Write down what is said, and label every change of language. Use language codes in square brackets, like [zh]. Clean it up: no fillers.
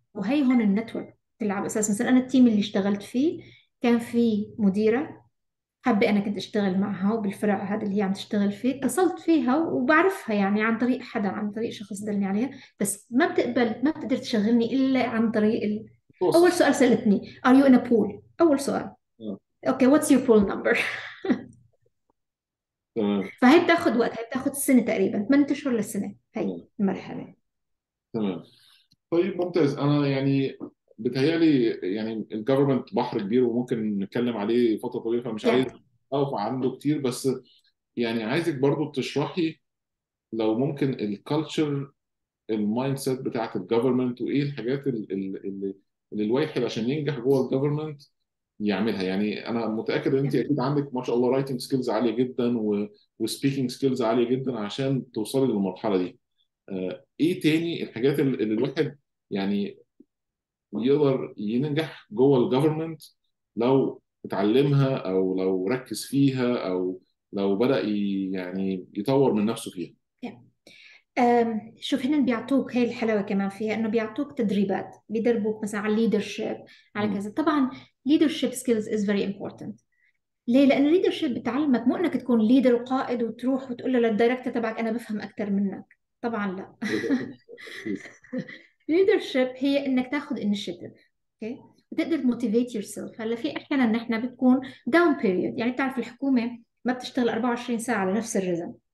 [ar] وهي هون النتورك تلعب أساس. مثلا أنا التيم اللي اشتغلت فيه كان فيه مديرة حابة أنا كنت أشتغل معها، وبالفرع هذا اللي هي عم تشتغل فيه اتصلت فيها وبعرفها، يعني عن طريق حدا، عن طريق شخص دلني عليها. بس ما بتقبل، ما بتقدر تشغلني إلا عن طريق أول التواصل. سؤال سألتني [en] Are you in a pool؟ [ar] أول سؤال [en] Okay, what's your pool number؟ [ar] تمام فهي بتاخذ وقت، هي بتاخذ السنة تقريبا 8 أشهر للسنة، هي المرحلة. تمام طيب ممتاز. انا يعني بتهيألي يعني الجفرمنت بحر كبير وممكن نتكلم عليه فتره طويله، فمش يا عايز اقف عنده كتير، بس يعني عايزك برضو تشرحي لو ممكن الكالتشر، المايند سيت بتاعت الجفرمنت، وايه الحاجات اللي الواحد عشان ينجح جوه الجفرمنت يعملها. يعني انا متاكد ان انت اكيد عندك ما شاء الله رايتنج سكيلز عاليه جدا وسبيكينج سكيلز عاليه جدا عشان توصلي للمرحله دي. ايه تاني الحاجات اللي الواحد يعني يقدر ينجح جوه الجفرمنت لو اتعلمها او لو ركز فيها او لو بدا يعني يطور من نفسه فيها؟ شوف، هنن بيعطوك هاي الحلاوة كمان فيها، إنه بيعطوك تدريبات بيدربوك مثلا على الليدرشيب، على كذا. طبعا [en] leadership skills is very important. [ar] ليه؟ لأن leadership بتعلمك، مو إنك تكون ليدر وقائد وتروح وتقول له للدايركتور تبعك أنا بفهم أكثر منك، طبعا لا. leadership هي إنك تاخذ initiative أوكي، وتقدر [en] motivate yourself. [ar] هلا في أحيانا نحن بتكون [en] down period، [ar] يعني بتعرف الحكومة ما بتشتغل 24 ساعة على نفس الرزم.